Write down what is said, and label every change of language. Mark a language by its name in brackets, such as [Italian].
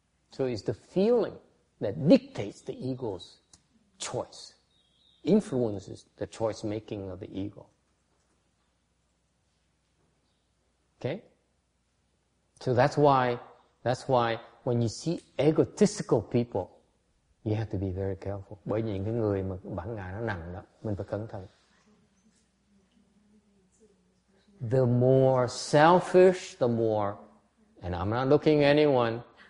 [English] So it's the feeling that dictates the ego's choice, influences the choice making of the ego. Okay? So that's why when you see egotistical people, you have to be very careful. [Vietnamese] Bởi những cái người mà bản ngã nó nặng đó, mình phải cẩn thận. [English] The more selfish, the more, and I'm not looking at anyone.